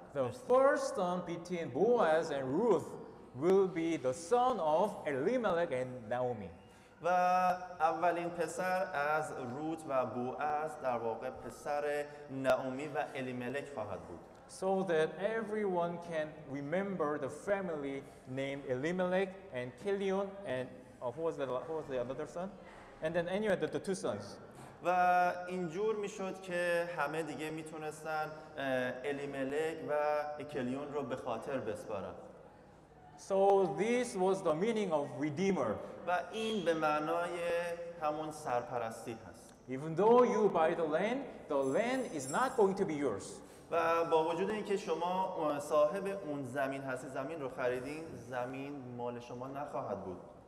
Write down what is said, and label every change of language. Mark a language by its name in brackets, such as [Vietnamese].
[English] The first son between Boaz and Ruth will be the son of Elimelech and Naomi. [Persian] و اولین پسر از روت و بوعز در واقع پسر نعومی و الیملک خواهد بود. [English] So that everyone can remember the family named Elimelech and Kilion and who was the other son? And then anyway, the two sons. [Persian] و اینجور میشد که همه دیگه میتونستن الیملک و کلیون رو به خاطر بسپارن. [English] So this was the meaning of redeemer. [Persian] و این به معنای همون سرپرستی هست. [English] Even though you buy the land is not going to be yours. [Persian] و با وجود اینکه شما صاحب اون زمین هستی، زمین رو خریدین، زمین مال شما نخواهد بود.